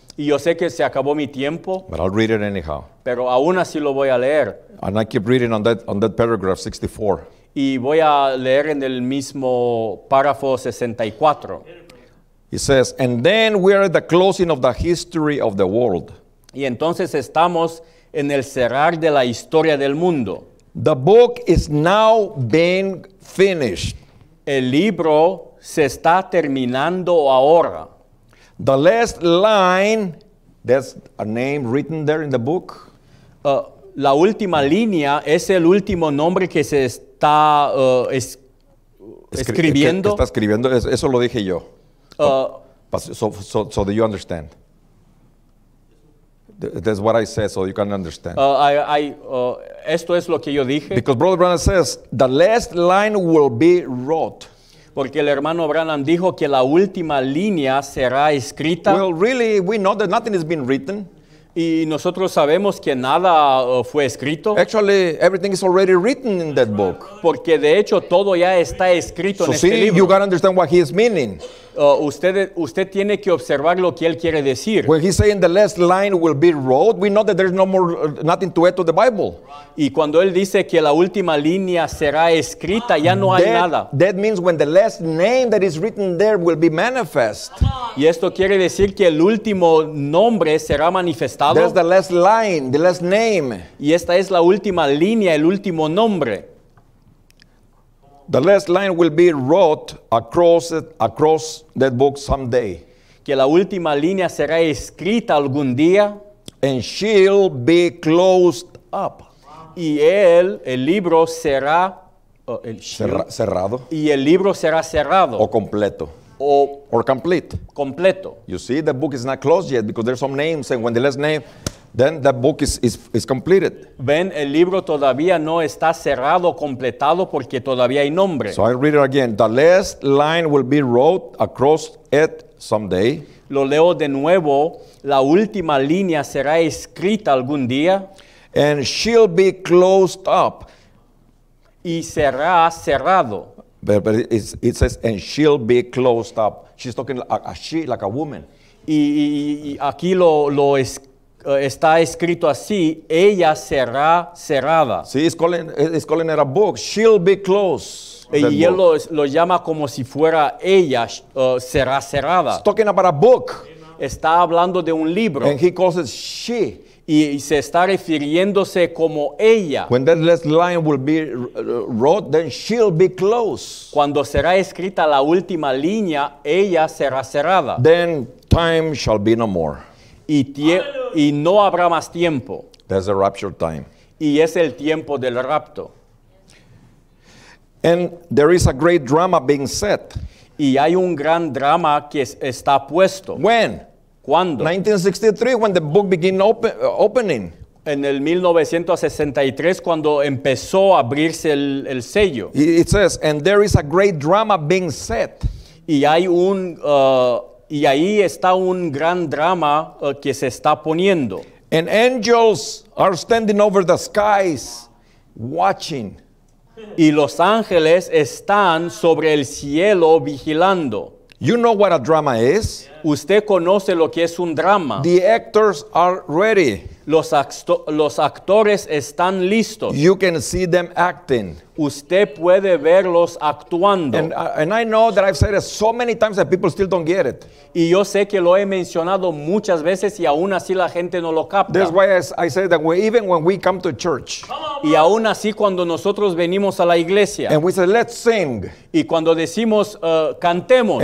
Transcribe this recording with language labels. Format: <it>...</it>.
<es>Y yo sé que se acabó mi tiempo.</es> <en>But I'll read it anyhow.</en> <es>Pero aún así lo voy a leer.</es> <en>And I keep reading on that paragraph 64.</en> <es>Y voy a leer en el mismo párrafo 64.</es> <en>It says, and then we are at the closing of the history of the world.</en> <es>Y entonces estamos en el cerrar de la historia del mundo.</es> <en>The book is now being finished.</en> <es>El libro se está terminando ahora.</es> <en>The last line, that's a name written there in the book.</en> <es>La última línea es el último nombre que se está escribiendo. Está escribiendo, eso lo dije yo.</es> <en>So that you understand. That's what I said, so you can understand.</en> <es>Esto es lo que yo dije.</es> <en>Because Brother Branham says, the last line will be wrote.</en> <es>Porque el hermano Branham dijo que la última línea será escrita.</es> <en>Well, really, we know that nothing has been written.</en> <es>Y nosotros sabemos que nada fue escrito.</es> <en>Actually, everything is already written in that book.</en> <es>Porque de hecho, todo ya está escrito</es> <en>so</en> <es>en este libro.</es> <en>You got to understand what he is meaning.</en> <es>Usted tiene que observar lo que él quiere decir.</es> <en>When he's saying the last line will be wrote, we know that there's nothing to add to the Bible.</en> <es>Y cuando él dice que la última línea será escrita, ya no hay nada.</es> <en>That means when the last name that is written there will be manifest.</en> <es>Y esto quiere decir que el último nombre será manifestado.</es> <en>That's the last line, the last name.</en> <es>Y esta es la última línea, el último nombre.</es> <en>The last line will be wrote across that book someday.</en> <es>Que la última línea será escrita algún día.</es> <en>And she'll be closed up.</en> <es>Y el libro será cerrado. Y el libro será cerrado. O completo.</es> <en>Or complete.</en> <es>Completo.</es> <en>You see, the book is not closed yet because there's some names, and when the last name, then the book is completed.</en> <es>Ven, el libro todavía no está cerrado, completado, porque todavía hay nombre.</es> <en>So I read it again. The last line will be wrote across it someday.</en> <es>Lo leo de nuevo. La última línea será escrita algún día.</es> <en>And she'll be closed up.</en> <es>Y será cerrado.</es> <en>But it says, and she'll be closed up. She's talking like a she, like a woman.</en> <es>Y aquí está escrito así, ella será cerrada.</es> <en>See, it's calling it a book. She'll be closed.</en> <es>Y él lo llama como si fuera ella, será cerrada.</es> <en>It's talking about a book.</en> <es>Está hablando de un libro.</es> <en>And he calls it she.</en> <es>Y se está refiriéndose como ella.</es> <en>When that last line will be wrote, then she'll be closed.</en> <es>Cuando será escrita la última línea, ella será cerrada.</es> <en>Then time shall be no more.</en> <es>Y no habrá más tiempo.</es> <en>That's the rapture time.</en> <es>Y es el tiempo del rapto.</es> <en>And there is a great drama being set.</en> <es>Y hay un gran drama que está puesto.</es> <en>When?</en> <es>¿Cuándo?</es> <en>1963, when the book began opening.</en> <es>En el 1963, cuando empezó a abrirse el sello.</es> <en>It says, and there is a great drama being set.</en> <es>Y hay y ahí está un gran drama que se está poniendo.</es> <en>And angels are standing over the skies, watching.</en> <es>Y los ángeles están sobre el cielo vigilando.</es> <en>You know what a drama is? Yeah.</en> <es>Usted conoce lo que es un drama.</es> <en>The actors are ready.</en> <es>Los actores están listos.</es> <en>You can see them acting.</en> <es>Usted puede verlos actuando.</es> <en>And I know that I've said it so many times that people still don't get it.</en> <es>Y yo sé que lo he mencionado muchas veces y aún así la gente no lo capta.</es> <en>That's why I say that even when we come to church.</en> <es>Y aún así cuando nosotros venimos a la iglesia.</es> <en>And we say, let's sing.</en> <es>Y cuando decimos, cantemos.</es>